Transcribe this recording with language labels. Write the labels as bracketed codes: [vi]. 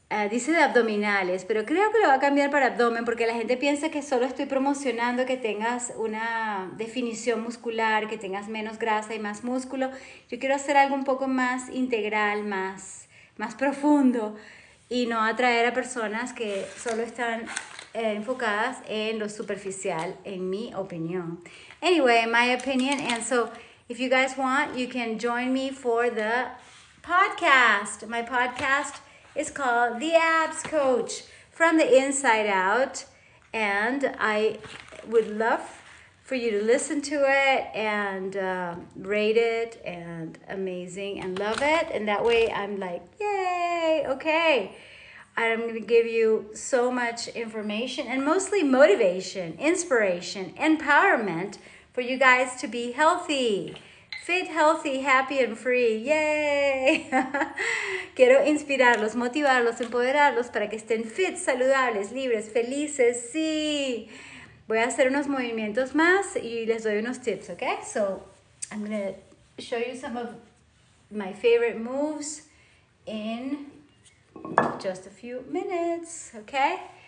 [es] Dice de abdominales, pero creo que lo va a cambiar para abdomen porque la gente piensa que solo estoy promocionando que tengas una definición muscular, que tengas menos grasa y más músculo. Yo quiero hacer algo un poco más integral, más profundo y no atraer a personas que solo están enfocadas en lo superficial, en mi opinión. [en] Anyway, my opinion. And so, if you guys want, you can join me for the podcast. My podcast. It's called The Abs Coach from the Inside Out. And I would love for you to listen to it and rate it and amazing and love it. And that way I'm like, yay, okay. I'm gonna give you so much information and mostly motivation, inspiration, empowerment for you guys to be healthy. Fit, healthy, happy and free. [es] ¡Yay! Quiero inspirarlos, motivarlos, empoderarlos para que estén fit, saludables, libres, felices. Sí. Voy a hacer unos movimientos más y les doy unos tips, ¿ok? [en] So, I'm gonna show you some of my favorite moves in just a few minutes, ¿ok?